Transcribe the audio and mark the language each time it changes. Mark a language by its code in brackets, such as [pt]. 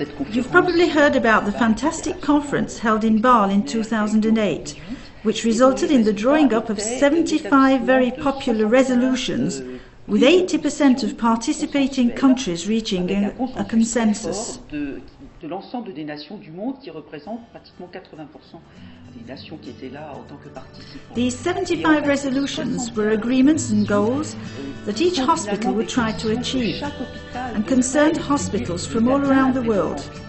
[en] You've probably heard about the fantastic conference held in Bâle in 2008, which resulted in the drawing up of 75 very popular resolutions, with 80% of participating countries reaching a consensus. [fr] De l'ensemble des nations du monde qui représentent pratiquement 80% des nations qui étaient là en tant que participants. [en] These 75 resolutions were agreements and goals that each hospital would try to achieve and concerned hospitals from all around the world.